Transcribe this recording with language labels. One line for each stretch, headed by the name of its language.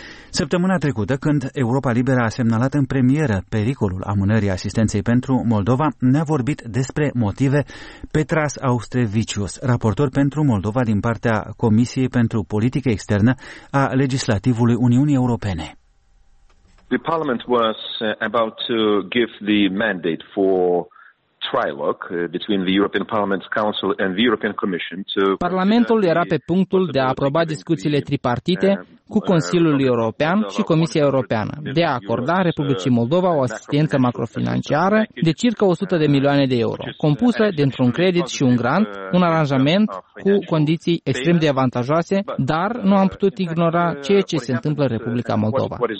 Romanian: Săptămâna trecută, când Europa Liberă a semnalat în premieră pericolul amânării asistenței pentru Moldova, ne-a vorbit despre motive Petras Auštrevičius, raportor pentru Moldova din partea Comisiei pentru Politică Externă a Legislativului Uniunii Europene.
English: The parliament was about to give the mandate for trilogue between the European Parliament's Council and the European Commission to
Romanian: Parlamentul era pe punctul de a aproba discuțiile tripartite cu Consiliul European și Comisia Europeană de a acorda Republicii Moldova o asistență macrofinanciară de circa 100 de milioane de euro, compusă dintr-un credit și un grant, un aranjament cu condiții extrem de avantajoase, dar nu am putut ignora ceea ce se întâmplă în Republica Moldova.